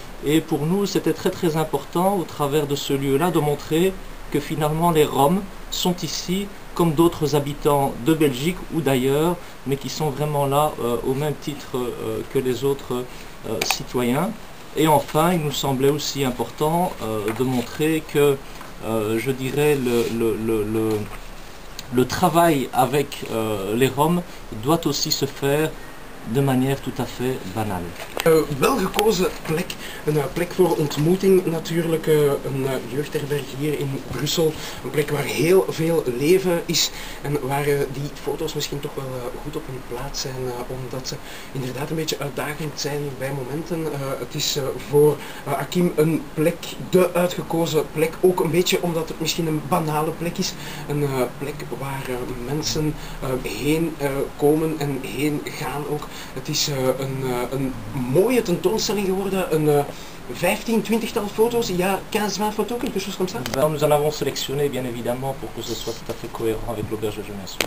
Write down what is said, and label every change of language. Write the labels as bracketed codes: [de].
[fr] Et pour nous, c'était très très important, au travers de ce lieu-là, de montrer que finalement les Roms sont ici, comme d'autres habitants de Belgique ou d'ailleurs, mais qui sont vraiment là au même titre que les autres citoyens. Et enfin, il nous semblait aussi important de montrer que je dirais le travail avec les Roms doit aussi se faire de manière tout à fait banale. [nl] Wel gekozen plek, een plek voor ontmoeting natuurlijk, een jeugdherberg hier in Brussel, een plek waar heel veel leven is en waar die foto's misschien toch wel goed op hun plaats zijn, omdat ze inderdaad een beetje uitdagend zijn bij momenten. Het is voor Hakim een plek, de uitgekozen plek, ook een beetje omdat het misschien een banale plek is, een plek waar mensen heen komen en heen gaan ook. Het is een mooie tentoonstelling geworden, een 15, 20-tal foto's, [fr] il y a 15-20 photos, quelque chose comme ça. Nous en avons sélectionné, bien évidemment, pour que ce soit tout à fait cohérent avec l'auberge de jeunesse.